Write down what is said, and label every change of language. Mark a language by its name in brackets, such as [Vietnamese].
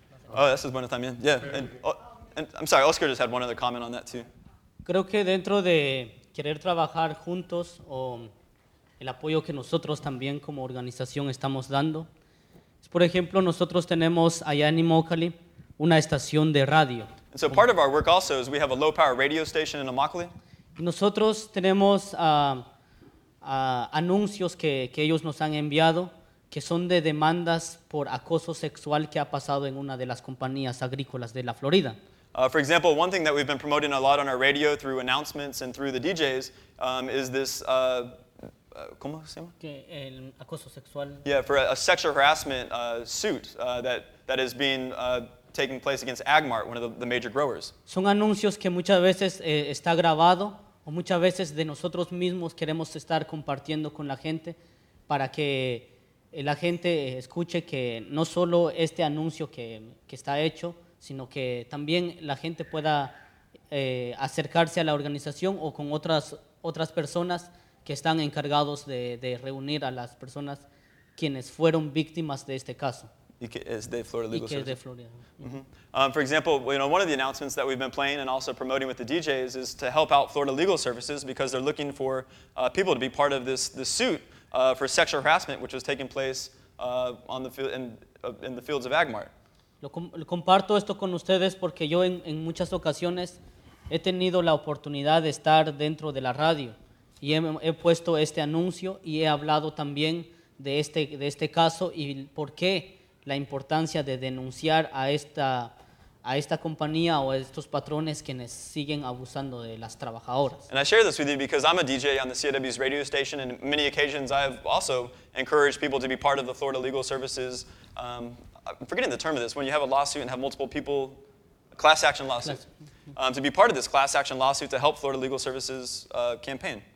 [English] Oh, this is [Spanish] bueno también. [English] Yeah, and I'm sorry, Oscar just had one other comment on that too. [Spanish] Creo que dentro de querer trabajar juntos o el apoyo que nosotros también como organización estamos dando, por ejemplo, nosotros tenemos allá en Immokalee una estación de radio. [English] And so part of our work also is we have a low power radio station in Immokalee. [Spanish] Nosotros tenemos anuncios que ellos nos han enviado que son de demandas por acoso sexual que ha pasado en una de las compañías agrícolas de la Florida. [English] For example, one thing that we've been promoting a lot on our radio through announcements and through the DJs is this, [Spanish] ¿cómo se llama? Que el acoso sexual. [English] Yeah, for a sexual harassment suit that is being taking place against Agmart, one of the major growers. [Spanish] Son anuncios que muchas veces está grabado o muchas veces de nosotros mismos queremos estar compartiendo con la gente para que la gente escuche que no solo este anuncio que está hecho, sino que también la gente pueda acercarse a la organización o con otras personas que están encargados de reunir a las personas quienes fueron víctimas de este caso. Y que es de Florida Legal Services. Y que es de Florida. Mm-hmm. [English] For example, one of the announcements that we've been playing and also promoting with the DJs is to help out Florida Legal Services because they're looking for people to be part of this suit for sexual harassment, which was taking place in the fields of Agmart. [Spanish] Lo comparto esto con ustedes porque yo en muchas ocasiones he tenido la oportunidad de estar dentro de la radio y he puesto este anuncio y he hablado también de este caso y por qué la importancia de denunciar a esta compañía o estos patrones quienes siguen abusando de las trabajadoras. [English] And I share this with you because I'm a DJ on the CIW's radio station, and many occasions I have also encouraged people to be part of the Florida Legal Services. I'm forgetting the term of this, when you have a lawsuit and have multiple people, a class action lawsuit, to be part of this class action lawsuit to help Florida Legal Services campaign.